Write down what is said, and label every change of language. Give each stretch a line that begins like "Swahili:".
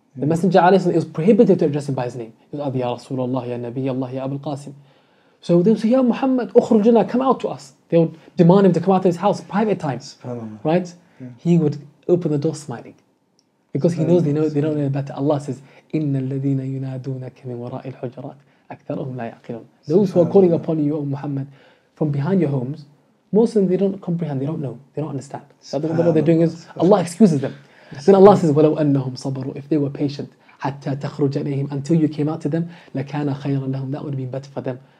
English: The Messenger alayhi sallam, it was prohibited to address him by his name. He said, Ya Rasulullah, Ya Nabi, Allah, Ya Abul Qasim. So they would say, Ya Muhammad, ukhrujna, come out to us. They would demand him to come out to his house, private times. Right? Yeah. He would open the door smiling. Because he knows they don't know better. Allah says,
Arabic: إِنَّ الَّذِينَ يُنَادُونَكَ مِنْ وَرَاءِ الْحُجَرَاتِ أَكْثَرُهُمْ لَا يَعْقِلُونَ.
English: Those who are calling upon you, O Muhammad, from behind your homes, most of them, they don't comprehend, they don't know, they don't understand. So what they're doing is, Allah excuses them. Then Allah says,
Arabic: وَلَوْ أَنَّهُمْ صَبَرُوا,
English: if they were patient,
Arabic: حَتَّى تَخْرُجَ إِلَيْهِمْ,
English: until you came out to them,
Arabic: لَكَانَ خَيْرًا لَهُمْ,
English: that would be better for them.